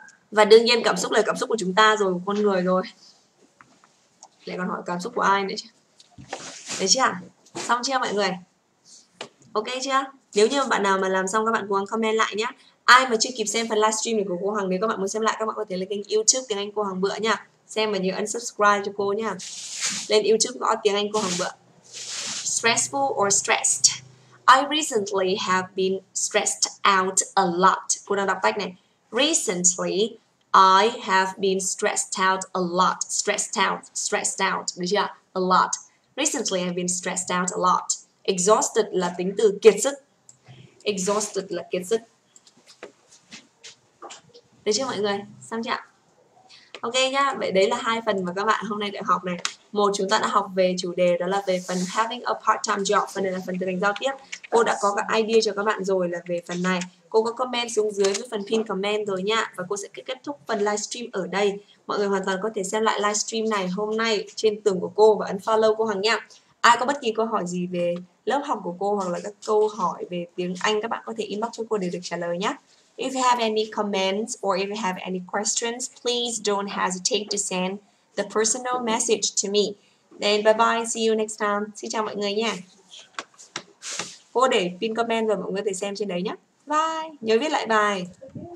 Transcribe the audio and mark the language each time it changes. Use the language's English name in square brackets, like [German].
[Vietnamese] Và đương nhiên cảm xúc là cảm xúc của chúng ta rồi, của con người rồi. Lại còn hỏi cảm xúc của ai nữa chứ. Đấy chứ ạ? Xong chưa mọi người? Ok chưa? Nếu như bạn nào mà làm xong các bạn cố gắng comment lại nhé. Ai mà chưa kịp xem phần livestream này của cô Hằng, nếu các bạn muốn xem lại các bạn có thể lên kênh YouTube Tiếng Anh Cô Hằng Bữa nha. Xem và nhớ ấn subscribe cho cô nha. Lên YouTube gõ Tiếng Anh Cô Hằng Bữa. [English] Stressful or stressed? I recently have been stressed out a lot. [Vietnamese] Cô đang đọc tách này. [English] Recently, I have been stressed out a lot. Stressed out, [Vietnamese] được chưa? [English] A lot. Recently, I've been stressed out a lot. [Vietnamese] Exhausted là tính từ kiệt sức. Exhausted là kiệt sức. Được chưa mọi người? Xong chưa? Ok nhá, vậy đấy là hai phần mà các bạn hôm nay đã học này. Một, chúng ta đã học về chủ đề, đó là về phần [English] having a part-time job. [Vietnamese] Phần này là phần từ hành giao tiếp. Cô đã có các idea cho các bạn rồi là về phần này. Cô có comment xuống dưới với phần pin comment rồi nha. Và cô sẽ kết thúc phần livestream ở đây. Mọi người hoàn toàn có thể xem lại livestream này hôm nay trên tường của cô và ấn follow cô Hằng nha. Ai có bất kỳ câu hỏi gì về lớp học của cô hoặc là các câu hỏi về tiếng Anh, các bạn có thể inbox cho cô để được trả lời nhé. [English] If you have any comments or if you have any questions, please don't hesitate to send the personal message to me. Then bye bye, see you next time. [Vietnamese] Xin chào mọi người nha. Cô để pin comment rồi, mọi người có thể xem trên đấy nhé. Bye. Nhớ viết lại bài.